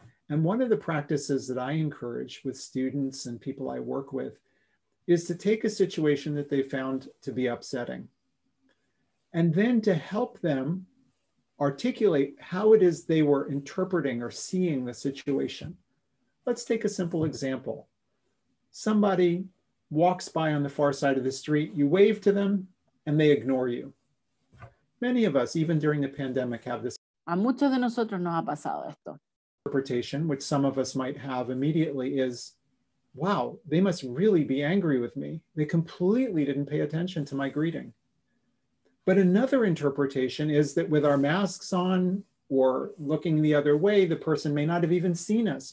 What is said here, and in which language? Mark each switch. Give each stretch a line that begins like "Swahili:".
English: And one of the practices that I encourage with students and people I work with is to take a situation that they found to be upsetting and then to help them articulate how it is they were interpreting or seeing the situation. Let's take a simple example. Somebody walks by on the far side of the street, you wave to them, and they ignore you. Many of us, even during the pandemic, have this.
Spanish: A muchos de nosotros nos ha pasado esto.
English: Interpretation, which some of us might have immediately, is, wow, they must really be angry with me. They completely didn't pay attention to my greeting. But another interpretation is that with our masks on or looking the other way, the person may not have even seen us.